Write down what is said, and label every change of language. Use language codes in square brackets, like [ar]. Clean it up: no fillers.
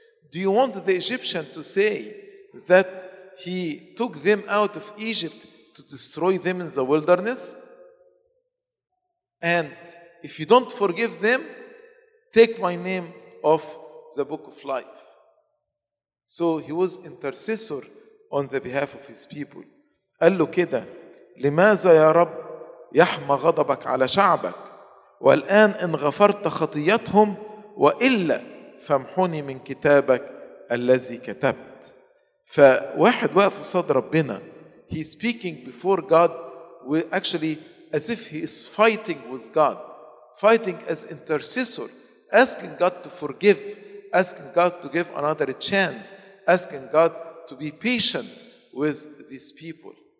[en] Do you want the Egyptian to say that he took them out of Egypt to destroy them in the wilderness? And if you don't forgive them, take my name off the book of life. So he was intercessor on the behalf of his people. [ar] قال له كده, لماذا يا رب يحمى غضبك على شعبك والآن إن غفرت خطيتهم وإلا فامحوني من كتابك الذي كتبت. فواحد واقف قصاد ربنا, [en] he speaking before God, actually as if he is fighting with God, fighting as intercessor, asking God to forgive, asking God to give another chance, asking God to be patient with these people.